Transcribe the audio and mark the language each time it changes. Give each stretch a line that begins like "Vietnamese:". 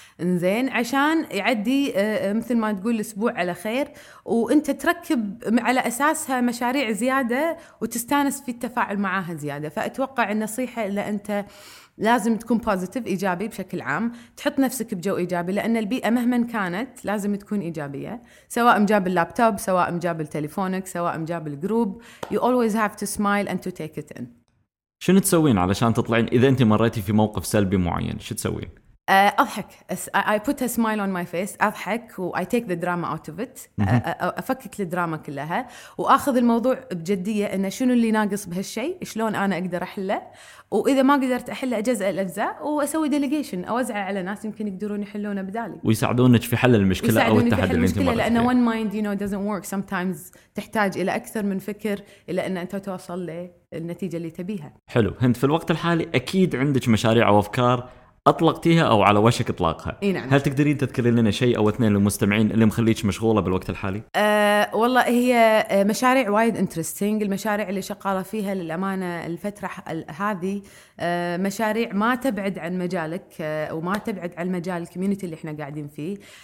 Arabic: انزين عشان يعدي مثل ما تقول الاسبوع على خير وانت تركب على اساسها مشاريع زياده وتستانس في التفاعل معها زياده. فاتوقع النصيحه اللي انت لازم تكون بوزيتيف إيجابي بشكل عام. تحط نفسك بجو إيجابي لأن البيئة مهما كانت لازم تكون إيجابية. سواء مجاب اللابتوب سواء مجاب التليفونك سواء مجاب الجروب.
English: You always have to smile and to take it in.
Arabic: شنو تسوين علشان تطلعين إذا أنت مريتي في موقف سلبي معين؟ شو تسوين؟ أضحك.
English: I put a smile on my face.
Arabic: أضحك و
English: I take the drama out of it.
Arabic: أفكك الدراما كلها وأخذ الموضوع بجدية إن شنو اللي ناقص بهالشيء شلون أنا أقدر أحله. وإذا ما قدرت أحله أجزء الأجزاء وأسوي delegation أوزعه على ناس يمكن يقدرون يحلونه بدالي ويساعدونك في حل المشكلة أو التحدي اللي أنت مريت فيه. لأن
English: one mind you know doesn't work sometimes.
Arabic: تحتاج إلى أكثر من فكر إلى أن أنت توصل للنتيجة اللي تبيها. حلو. هند في الوقت الحالي أكيد عندك مشاريع وأفكار أطلقتيها أو على وشك إطلاقها. إيه نعم. هل تقدرين تذكرين لنا شيء أو اثنين للمستمعين اللي مخليك مشغولة بالوقت الحالي؟ والله هي مشاريع وايد انترستينج. المشاريع اللي شغالة فيها للأمانة الفترة هذه مشاريع ما تبعد عن مجالك وما تبعد عن مجال الكوميونتي اللي احنا قاعدين فيه.